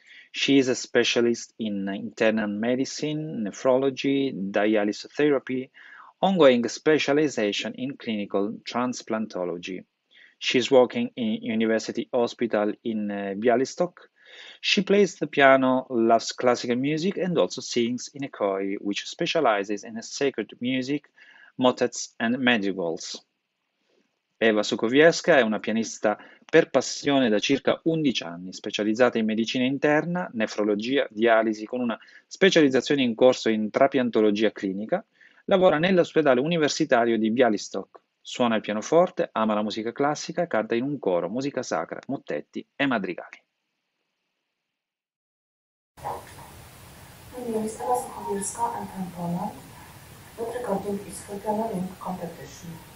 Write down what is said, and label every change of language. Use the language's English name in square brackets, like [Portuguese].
[English] She is a specialist in internal medicine, nephrology, dialysis therapy, ongoing specialization in clinical transplantology. She's working in University Hospital in Bialystok. She plays the piano, loves classical music, and also sings in a choir, which specializes in sacred music, motets, and madrigals. [Italian] Ewa Sukowierska è una pianista per passione da circa 11 anni, specializzata in medicina interna, nefrologia, dialisi, con una specializzazione in corso in trapiantologia clinica. Lavora nell'ospedale universitario di Bialystok. Suona il pianoforte, ama la musica classica, canta in un coro, musica sacra, mottetti e madrigali. [English] My name is Ewa Sukowierska, I'm from Poland. What we're going to do is for PianoLink competition.